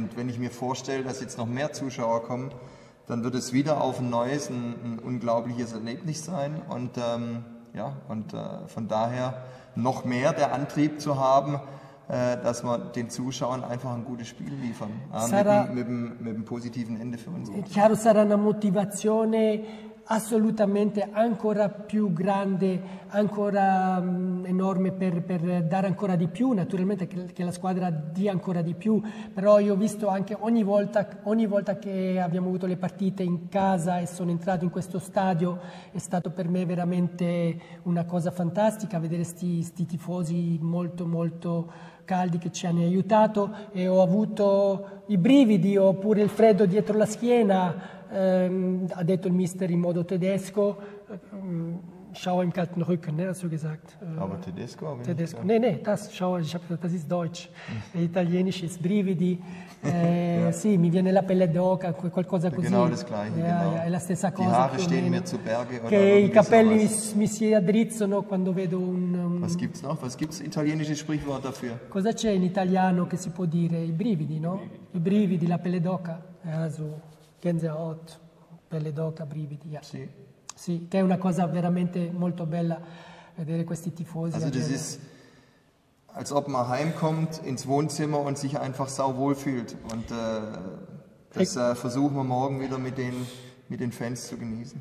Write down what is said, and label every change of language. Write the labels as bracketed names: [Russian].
[German] Und wenn ich mir vorstelle, dass jetzt noch mehr Zuschauer kommen, dann wird es wieder auf ein neues, ein unglaubliches Erlebnis sein. Und von daher noch mehr der Antrieb zu haben, dass wir den Zuschauern einfach ein gutes Spiel liefern. Mit dem positiven Ende für uns. [Italian] Chiaro, sarà una motivazione assolutamente ancora più grande, ancora enorme per dare ancora di più, naturalmente che la squadra dia ancora di più, però io ho visto anche ogni volta che abbiamo avuto le partite in casa e sono entrato in questo stadio, è stato per me veramente una cosa fantastica vedere sti tifosi molto molto caldi che ci hanno aiutato e ho avuto i brividi oppure il freddo dietro la schiena, ha detto il mister in modo tedesco, [German] schau im kalten Rücken, ne, hast du gesagt. Aber tedesco? Tedesco. Ja. Nee, das, schau, ich hab gesagt, das ist deutsch. Italienisch ist brividi. [English] yeah. [Italian] Sì, mi viene la pelle d'oca, qualcosa così. [German] Genau das gleiche, [English] yeah, [German] genau. [Italian] Yeah, è la stessa cosa. [German] Die Haare stehen mir zu Berge. [Italian] Che i capelli mi si addrizzano quando vedo un... [German] Was gibt's noch? Was gibt's italienische Sprichwort dafür? [Italian] Cosa c'è in italiano che si può dire? I brividi, no? I brividi, la pelle d'oca. [German] Also, Gänsehaut, [Italian] pelle d'oca, brividi, yeah. Sì. Sì, che è una cosa veramente molto bella vedere questi tifosi. [German] Also das ist als ob man heimkommt ins Wohnzimmer und sich einfach sau wohl fühlt und das versuchen wir morgen wieder mit den Fans zu genießen.